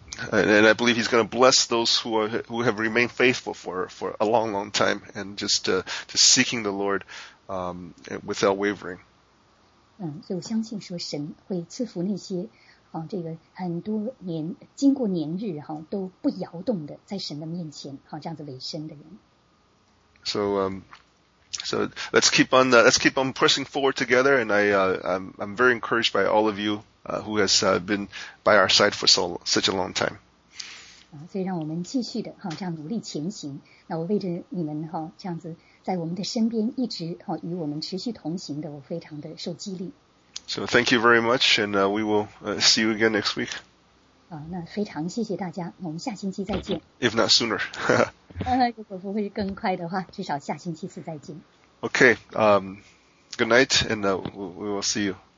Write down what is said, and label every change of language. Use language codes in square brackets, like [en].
[en] So, and I believe he's going to bless those who have remained faithful for a long, long time and just seeking the Lord, without wavering. [zh] 所以我相信说神会赐福那些，这个很多年经过年日哈都不摇动的在神的面前，好这样子委身的人。 [en] So, so let's keep on pressing forward together, and I'm very encouraged by all of you. Who has been by our side for so such a long time. [zh] 所以让我们继续的这样努力前行，那我为着你们这样子在我们的身边一直与我们持续同行的，我非常的受激励。 [en] So thank you very much, and we will see you again next week. [zh] 那非常谢谢大家，我们下星期再见。 [en] If not sooner. [zh] 如果不会更快的话，至少下星期四再见。 [en] Okay, good night, and we will see you.